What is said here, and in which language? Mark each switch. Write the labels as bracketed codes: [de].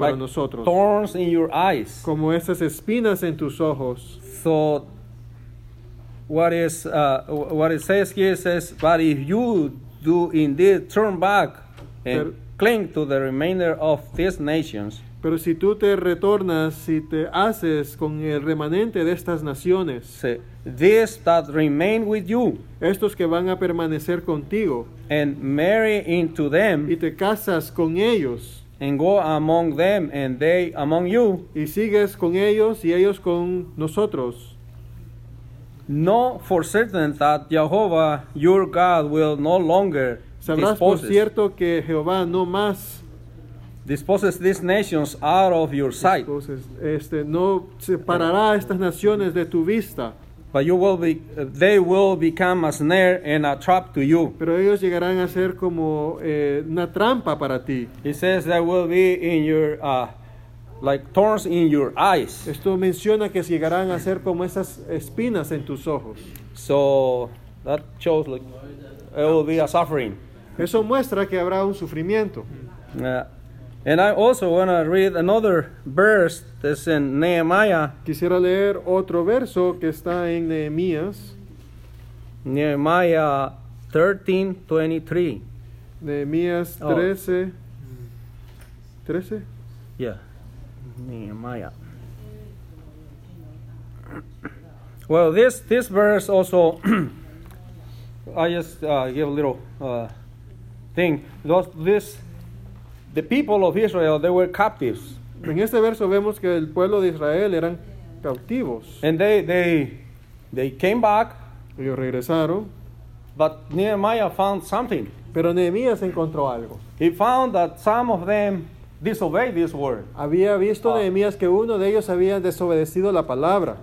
[es] para nosotros. [en] Thorns in your eyes. [es] Como esas espinas en tus ojos. [en] So what it says here, but if you do indeed turn back and cling to the remainder of these nations. [es] Pero si tú te retornas, si te haces con el remanente de estas naciones. [en] These that remain with you. [es] Estos que van a permanecer contigo. [en] And marry into them. [es] Y te casas con ellos. [en] And go among them and they among you. [es] Y sigues con ellos y ellos con nosotros. [en] Know for certain that Jehovah your God will no longer [es] sabrás [en] disposes. [es] Por cierto que Jehová no más [en] disposes these nations out of your sight. [es] No separará estas naciones de tu vista. [en] But they will become a snare and a trap to you. [es] Pero ellos llegarán a ser como una trampa para ti. [en] He says they will be in your like thorns in your eyes. [es] Esto menciona que llegarán a ser como esas espinas en tus ojos. [en] So that shows like it will be a suffering. [es] Eso muestra que habrá un sufrimiento. [en] And I also want to read another verse that's in Nehemiah. [es] Quisiera leer otro verso que está en Nehemías. [en] Nehemiah 13:23. [es] Nehemías 13. [en] Nehemiah. Well, this verse also, I just give a little thing. The people of Israel, they were captives. [es] En este verso vemos que el pueblo de Israel eran cautivos. [en] And they came back. [es] Ellos regresaron. [en] But Nehemiah found something. [es] Pero Nehemías encontró algo. [en] He found that some of them disobeyed this word. [es] Había visto Nehemías que uno de ellos había desobedecido la palabra.